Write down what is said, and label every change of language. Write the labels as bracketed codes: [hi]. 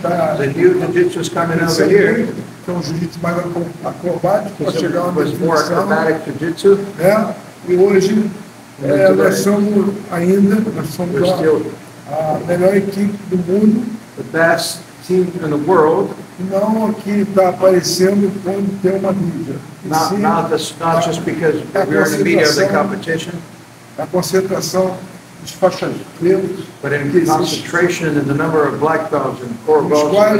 [en] The new jiu-jitsu is coming over here. [pt] Então, o jiu-jitsu mais acrobático, para chegar uma definição. É, e hoje, nós somos ainda a melhor equipe do mundo. [en] The best team in the world. [pt] Não aqui está aparecendo quando tem uma mídia. [en] Not just because we're in the media of the competition. [pt] A concentração dos faixas pretas. [en] But in concentration in the number of black belts and core belts.